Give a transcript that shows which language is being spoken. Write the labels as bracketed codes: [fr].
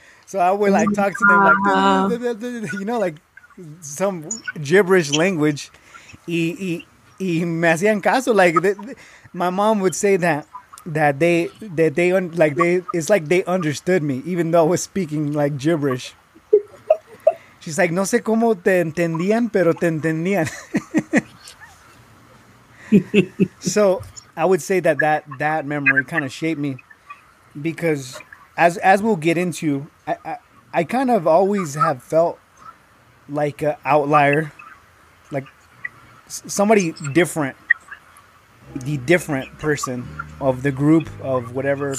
[en] So I would like talk to them like, you know, like some gibberish language. [es] Y me hacían caso, [en] like my mom would say that they understood me even though I was speaking like gibberish. She's like, [es] no sé cómo te entendían, pero te entendían. [en] So I would say that memory kind of shaped me, because as we'll get into, I kind of always have felt like an outlier, like somebody different, the different person of the group of whatever.